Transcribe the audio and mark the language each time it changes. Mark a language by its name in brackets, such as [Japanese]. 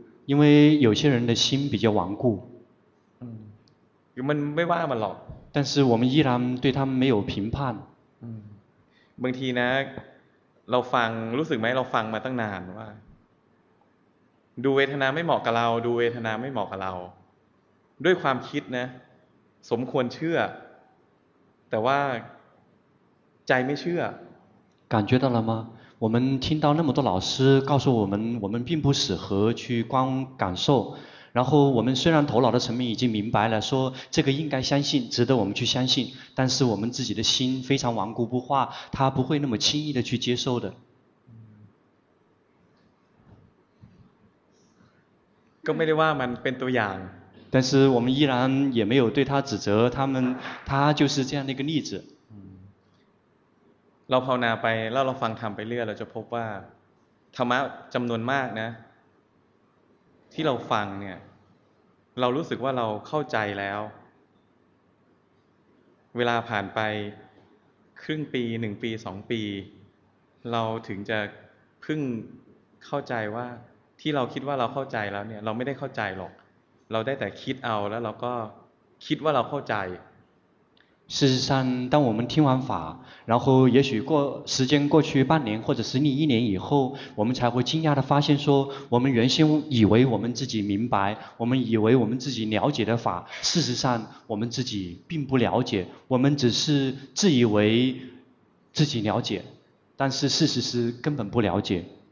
[Chinese] 因为有些人的心比较顽固 [Thai] มันไม่ว่ามันหรอก [Chinese] 但是我们依然对他们没有评判 [Thai] บางทีนะเราฟังรู้สึกไหมเราฟังมาตั้งนานว่าดูเวทนาไม่เหมาะกับเราดูเวทนาไม่เหมาะกับเราด้วยความคิดนะสมควรเชื่อแต่ว่าใจไม่เชื่อ [Chinese] 感觉到了吗我们听到那么多老师告诉我们我们并不适合去观感受然后我们虽然头脑的层面已经明白了说这个应该相信值得我们去相信但是我们自己的心非常顽固不化它不会那么轻易的去接受的 [Thai] ก็ไม่ได้ว่ามันเป็นตัวอย่าง [Chinese] 但是我们依然也没有对他指责他就是这样的一个例子 [Thai] เราภาวนาไปแล้วเราฟังธรรมไปเรื่อยเราจะพบว่าธรรมะจำนวนมากนะที่เราฟังเนี่ยเรารู้สึกว่าเราเข้าใจแล้วเวลาผ่านไปครึ่งปีหนึ่งปีสองปีเราถึงจะเพิ่งเข้าใจว่าที่เราคิดว่าเราเข้าใจแล้วเนี่ยเราไม่ได้เข้าใจหรอกเราได้แต่คิดเอาแล้วเราก็คิดว่าเราเข้าใจ [Chinese] 事实上当我们听完法然后也许过时间过去半年或者是一年以后我们才会惊讶地发现说我们原先以为我们自己明白我们以为我们自己了解的法事实上我们自己并不了解我们只是自以为自己了解但是事实是根本不了解